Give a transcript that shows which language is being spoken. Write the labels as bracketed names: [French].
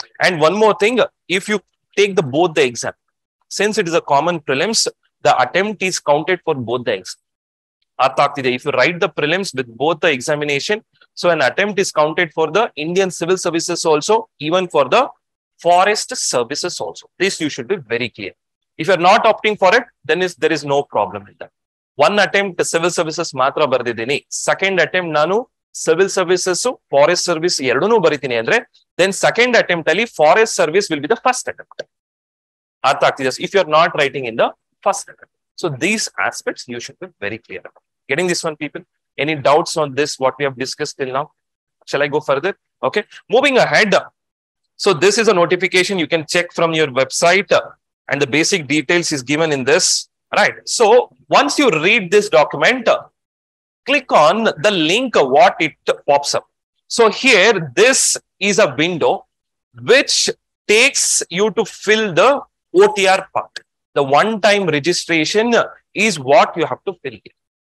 [English] And one more thing, if you take the both the exam, since it is a common prelims, the attempt is counted for both the exam. [Kannada] Artha aagtidya? [English] If you write the prelims with both the examination, so an attempt is counted for the Indian Civil Services also, even for the Forest Services also. This you should be very clear. If you are not opting for it, then is there is no problem in that. [Kannada] One attempt civil services ಮಾತ್ರ ಬರೆದಿದ್ದೀನಿ, second attempt ನಾನು civil services forest service ಎರಡನ್ನೂ ಬರೀತೀನಿ ಅಂದ್ರೆ then second attempt ಅಲ್ಲಿ forest service [English] Will be the first attempt. [Kannada] ಅರ್ಥ ಆಗ್ತಿದೆ? [English] If you are not writing in the first attempt. So these aspects you should be very clear. Getting this one people? Any doubts on this what we have discuss till now? Shall I go further? Okay, moving ahead. So this is a notification, you can check from your website and the basic details is given in this. Right. So once you read this document, click on the link what it pops up. So here, this is a window which takes you to fill the OTR part. The one-time registration is what you have to fill here.